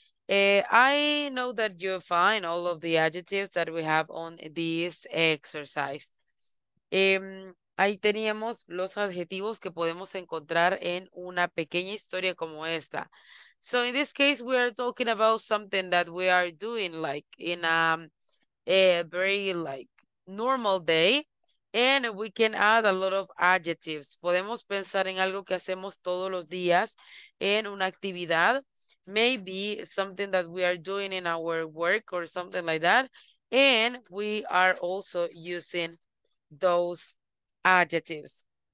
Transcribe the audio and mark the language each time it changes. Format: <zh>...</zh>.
<en>I know that you find all of the adjectives that we have on this exercise.</en> <es>Ahí teníamos los adjetivos que podemos encontrar en una pequeña historia como esta.</es> <en>So in this case, we are talking about something that we are doing like in a very like normal day. And we can add a lot of adjectives.</en> <es>Podemos pensar en algo que hacemos todos los días, en una actividad.</es> <en>Maybe something that we are doing in our work or something like that. And we are also using those adjectives.</en>